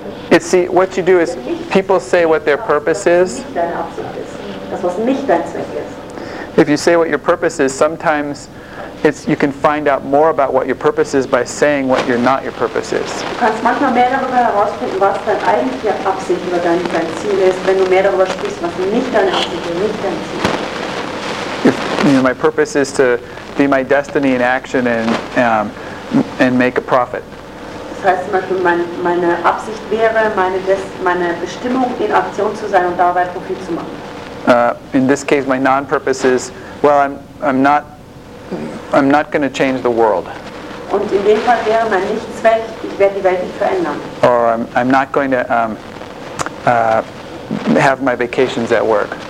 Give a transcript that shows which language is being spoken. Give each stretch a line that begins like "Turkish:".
English: It's, see, what you do is, people say what their purpose is.
German: Das, was nicht dein Zweck ist.
English: If you say what your purpose is, sometimes it's, you can find out more about what your purpose is by saying what you're not your purpose is.
German: Du kannst manchmal mehr darüber herausfinden, was dein eigentliche Absicht oder dein Ziel ist, wenn du mehr darüber sprichst, was nicht deine Absicht oder nicht dein Ziel ist.
English: If, you know, my purpose is to be my destiny in action and make a profit.
German: Das heißt, meine Absicht wäre, meine Bestimmung in Aktion zu sein und dabei Profit zu machen.
English: In this case, my non-purpose is, well, I'm not going to change the world.
German: Und in dem Fall wäre mein Nichtzweck, ich werde die Welt nicht verändern.
English: Or I'm not going to have my vacations at work.